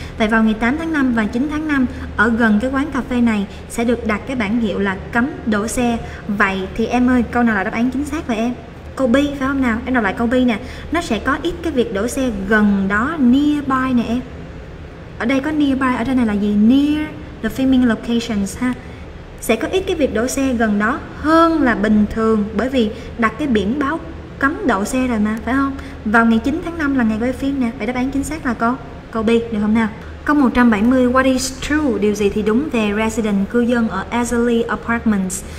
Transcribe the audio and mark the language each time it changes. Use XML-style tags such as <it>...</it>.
<vi>Vậy vào ngày 8 tháng 5 và 9 tháng 5, ở gần cái quán cà phê này sẽ được đặt cái bảng hiệu là cấm đổ xe. Vậy thì em ơi, câu nào là đáp án chính xác vậy em? Câu B, phải không nào? Em đọc lại câu B nè. Nó sẽ có ít cái việc đổ xe gần đó, nearby nè em. Ở đây có nearby, ở đây này là gì?</vi> <en>Near the filming locations ha.</en> <vi>Sẽ có ít cái việc đổ xe gần đó hơn là bình thường, bởi vì đặt cái biển báo cấm đậu xe rồi mà, phải không? Vào ngày 9 tháng 5 là ngày quay phim nè. Vậy đáp án chính xác là câu B, được không nào? Câu 170,</vi> <en>what is true?</en> <vi>Điều gì thì đúng về resident, cư dân ở Azalea Apartments?</vi>